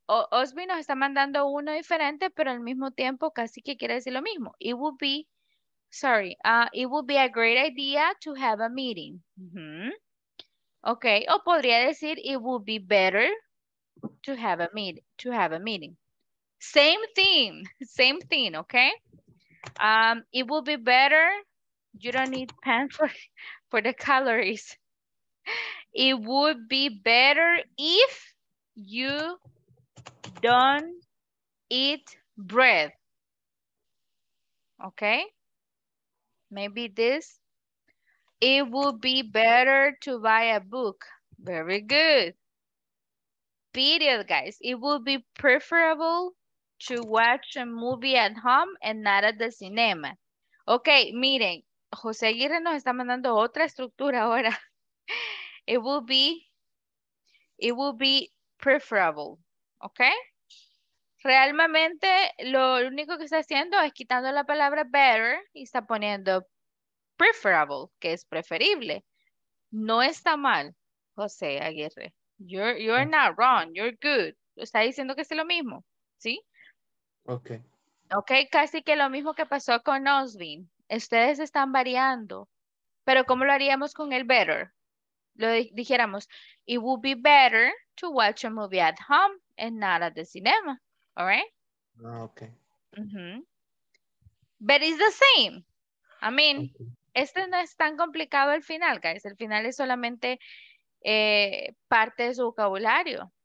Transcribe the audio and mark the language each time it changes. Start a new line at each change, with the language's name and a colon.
Spanish: Osbin nos está mandando uno diferente, pero al mismo tiempo casi que quiere decir lo mismo.
English: It would be a great idea to have a meeting. Mm-hmm. Okay,
Spanish: o podría decir,
English: it would be better to have a meeting. Same thing, okay? It would be better, you don't need pen for the calories. It would be better if you don't eat bread. Okay? Maybe this. It would be better to buy a book. Very good. Period, guys. It would be preferable to watch a movie at home and not at the cinema.
Spanish: Ok, miren, José Aguirre nos está mandando otra estructura ahora.
English: It will be preferable. Ok.
Spanish: Realmente lo único que está haciendo es quitando la palabra better y está poniendo preferable, que es preferible. No está mal, José Aguirre.
English: You're not wrong. You're good.
Spanish: Está diciendo que es lo mismo, ¿sí? Ok. Ok, casi que lo mismo que pasó con Osvin. Ustedes están variando. Pero ¿cómo lo haríamos con el better? Lo dijéramos,
English: it would be better to watch a movie at home and not at the cinema. All right? Ok. Mm-hmm. But it's the same. I mean, okay.
Spanish: Este no es tan complicado al final, guys. El final es solamente parte de su vocabulario.